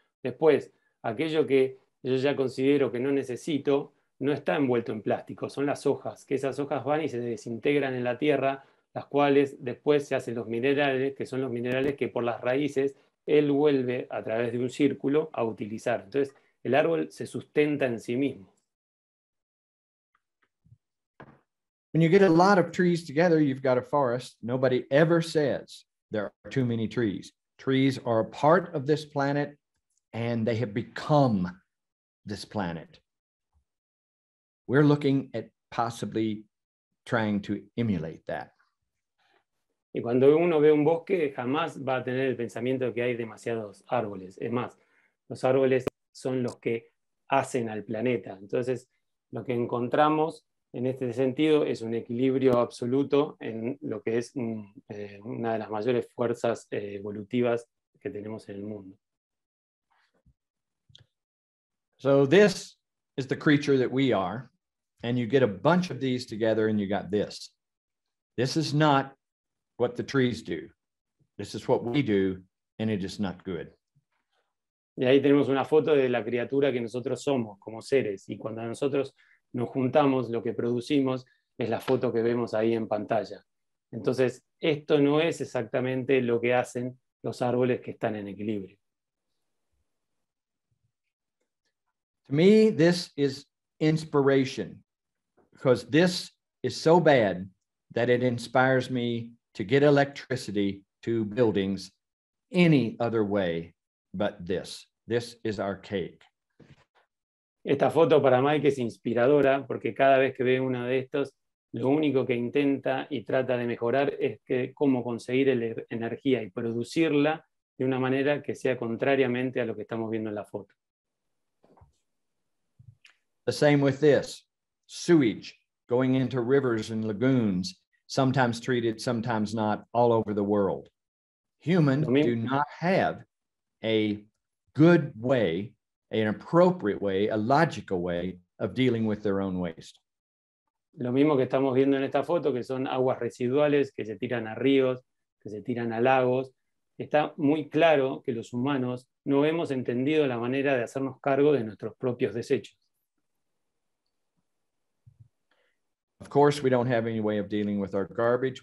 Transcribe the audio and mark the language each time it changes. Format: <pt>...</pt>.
<es>Después, aquello que yo ya considero que no necesito, no está envuelto en plástico, son las hojas, que esas hojas van y se desintegran en la tierra, las cuales después se hacen los minerales, que son los minerales que por las raíces él vuelve a través de un círculo a utilizar. Entonces, el árbol se sustenta en sí mismo.</es> <en>When you get a lot of trees together, you've got a forest. Nobody ever says there are too many trees. Trees are a part of this planet and they have become this planet. We're looking at possibly trying to emulate that.</en> <es>Y cuando uno ve un bosque, jamás va a tener el pensamiento de que hay demasiados árboles. Es más, los árboles son los que hacen al planeta. Entonces, lo que encontramos en este sentido es un equilibrio absoluto en lo que es una de las mayores fuerzas evolutivas que tenemos en el mundo.</es> <en>So this is the creature that we are, and you get a bunch of these together and you got this. This is not what the trees do. This is what we do, and it is not good.</en> <es>Y ahí tenemos una foto de la criatura que nosotros somos como seres, y cuando nosotros nos juntamos, lo que producimos es la foto que vemos ahí en pantalla. Entonces, esto no es exactamente lo que hacen los árboles que están en equilibrio.</es> <en>To me, this is inspiration, because this is so bad that it inspires me to get electricity to buildings any other way but this. This is archaic.</en> <es>Esta foto para Mike es inspiradora porque cada vez que ve una de estos, lo único que intenta y trata de mejorar es que cómo conseguir energía y producirla de una manera que sea contrariamente a lo que estamos viendo en la foto.</es> <en>The same with this. Sewage going into rivers and lagoons, sometimes treated, sometimes not, all over the world. Humans do not have a good way, an appropriate way, a logical way of dealing with their own waste.</en> <es>Lo mismo que estamos viendo en esta foto, que son aguas residuales que se tiran a ríos, que se tiran a lagos, está muy claro que los humanos no hemos entendido la manera de hacernos cargo de nuestros propios desechos.</es> <en>Of course, we don't have any way of dealing with our garbage.</en>